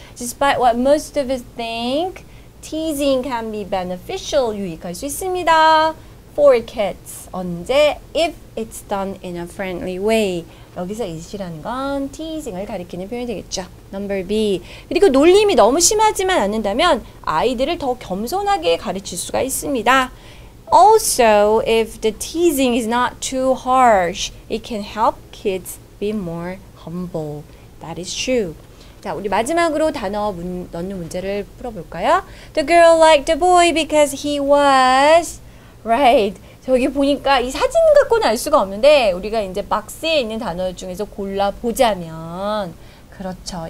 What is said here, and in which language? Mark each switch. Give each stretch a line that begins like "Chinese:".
English: Despite what most of us think, teasing can be beneficial,
Korean: 유익할 수 있습니다.
English: For kids,
Korean: 언제?
English: If it's done in a friendly way.
Korean: 여기서 it이라는 건 teasing을 가리키는 표현이 되겠죠.
English: Number B.
Korean: 그리고 놀림이 너무 심하지만 않는다면 아이들을 더 겸손하게 가르칠 수가 있습니다.
English: Also, if the teasing is not too harsh, it can help kids be more humble. That is true.
Korean: 자, 우리 마지막으로 단어 넣는 문제를 풀어볼까요?
English: The girl liked the boy because he was right.
Korean: 저기 보니까 이 사진 갖고는 알 수가 없는데 우리가 이제 박스에 있는 단어 중에서 골라보자면 그렇죠.